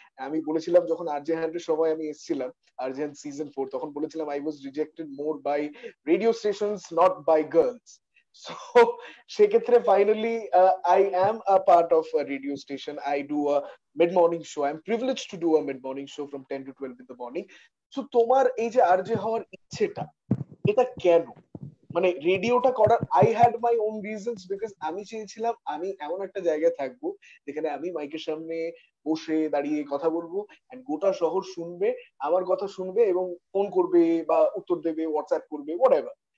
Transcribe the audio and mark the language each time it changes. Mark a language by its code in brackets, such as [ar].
[bn] আমি বলেছিলাম যখন আরজে হ্যান্ডের সময় আমি এসেছিলাম, আরজে হ্যান্ড সিজন 4, তখন বলেছিলাম [en] I was rejected more by radio stations not by girls. So, [bn] সেক্ষেত্রে [en] finally I am a part of a radio station. I do a mid-morning show. I'm privileged to do a mid-morning show from 10 to 12 in the morning. [bn] So, তোমার এই যে RJ হওয়ার ইচ্ছেটা, এটা কেন? মানে রেডিওটা করার, [en] I had my own reasons, because [bn] আমি চেয়েছিলাম আমি এমন একটা জায়গায় থাকবো যেখানে আমি মাইকের সামনে বসে দাঁড়িয়ে কথা বলবো, and গোটা শহর শুনবে, আমার কথা শুনবে এবং ফোন করবে বা উত্তর দেবে, হোয়াটসঅ্যাপ করবে, whatever.